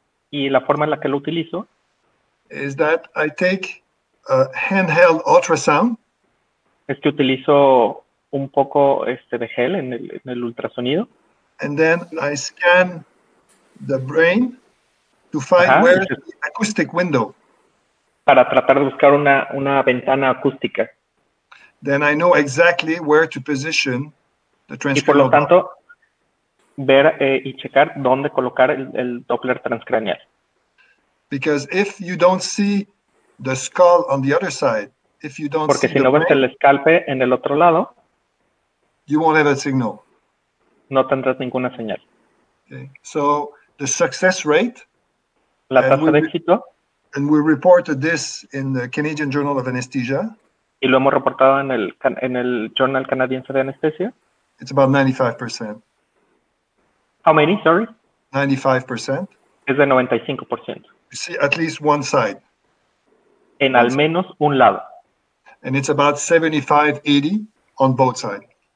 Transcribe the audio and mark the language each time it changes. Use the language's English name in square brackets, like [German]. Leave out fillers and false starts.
[Spanish] Y la forma en la que lo utilizo. [English] Is that I take a handheld ultrasound. [Spanish] Es que utilizo un poco de gel en el ultrasonido. [English] And then I scan the brain to find where the acoustic window. [Spanish] Para tratar de buscar una ventana acústica. [English] Then I know exactly where to position the transcranial. [Spanish] Y por lo tanto, ver y checar dónde colocar el Doppler transcranial. [English] Because if you don't see the skull on the other side, if you don't [Spanish] porque [English] see [Spanish] si [English] the [Spanish] no ves el escalpe en el otro lado, [English] you won't have a signal. [Spanish] No tendrás ninguna señal. [English] Okay. So the success rate, [Spanish] la tasa de éxito, [English] and we reported this in the Canadian Journal of Anesthesia. [Spanish] Y lo hemos reportado en el Journal Canadiense de Anestesia. [English] It's about 95%. How many, sorry? 95%. [Spanish] Es de 95%. [English] You see, at least one side. [Spanish] En al menos un lado. [English] And it's about 75-80 on both sides.